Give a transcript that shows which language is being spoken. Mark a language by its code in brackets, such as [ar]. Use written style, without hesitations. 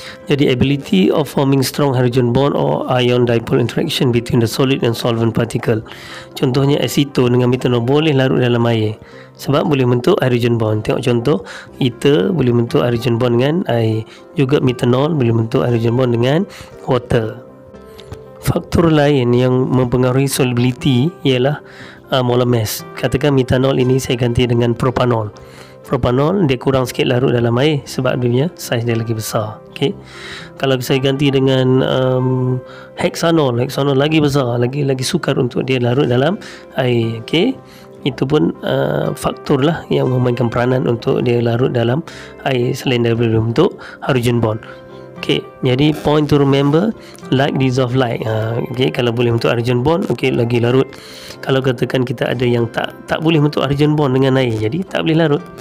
[ms] Jadi [en] ability of forming strong hydrogen bond or ion dipole interaction between the solid and solvent particle. [ms] Contohnya acetone dengan metanol boleh larut dalam air sebab boleh bentuk hydrogen bond. Tengok contoh, ether boleh bentuk hydrogen bond dengan air. Juga metanol boleh bentuk hydrogen bond dengan water. Faktor lain yang mempengaruhi solubility ialah molar mass. Katakan metanol ini saya ganti dengan propanol. Propanol dia kurang sikit larut dalam air sebab dia saiz dia lagi besar. Okay, kalau saya ganti dengan hexanol, hexanol lagi besar, lagi sukar untuk dia larut dalam air. Okay, itu pun faktor lah yang memainkan peranan untuk dia larut dalam air selain daripada untuk hydrogen bond. [en] Okay, [ms] jadi [en] point to remember, like dissolve like. [ms] Okay, kalau boleh untuk hydrogen bond, okay, lagi larut. Kalau katakan kita ada yang tak boleh untuk hydrogen bond dengan air, jadi tak boleh larut.